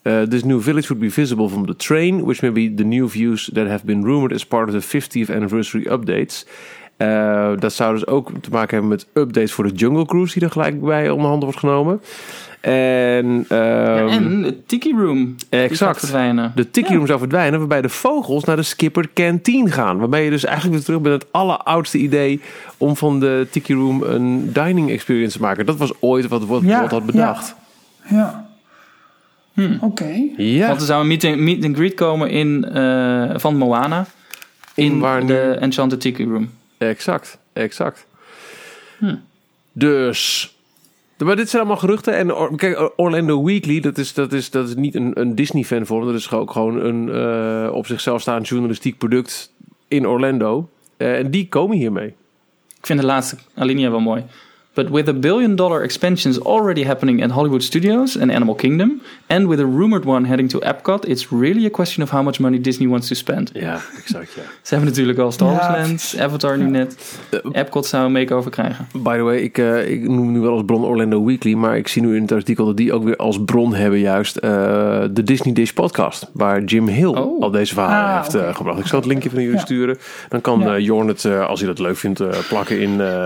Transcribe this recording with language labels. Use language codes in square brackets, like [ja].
[en] This new village would be visible from the train, which may be the new views that have been rumored as part of the 50th anniversary updates. [nl] Dat zou dus ook te maken hebben met updates voor de Jungle Cruise, die er gelijk bij onder handen wordt genomen. En de Tiki Room. Exact. De Tiki Room zou verdwijnen, waarbij de vogels naar de Skipper Canteen gaan. Waarbij je dus eigenlijk weer terug bent met het alleroudste idee om van de Tiki Room een dining experience te maken. Dat was ooit wat Walt had bedacht. Ja. Oké. Okay. Ja. Want er zou een meet and greet komen in van Moana. In de Enchanted Tiki Room. Exact. Dus. Maar dit zijn allemaal geruchten. En kijk, Orlando Weekly, dat is niet een Disney fan voor me. Dat is ook gewoon een op zichzelf staand journalistiek product in Orlando. En die komen hiermee. Ik vind de laatste alinea wel mooi. [en] But with $1 billion expansions already happening at Hollywood Studios and Animal Kingdom, and with a rumored one heading to Epcot, it's really a question of how much money Disney wants to spend. [nl] Ja, exact, ja. Ze hebben natuurlijk al Star Wars Lands, Avatar nu net. Epcot zou een makeover krijgen. [en] By the way, [nl] ik noem nu wel als bron Orlando Weekly, maar ik zie nu in het artikel dat die ook weer als bron hebben juist de Disney Dish podcast, waar Jim Hill al deze verhalen heeft gebracht. Ik zal het linkje van jullie sturen. Dan kan Jorn het, als hij dat leuk vindt, plakken in...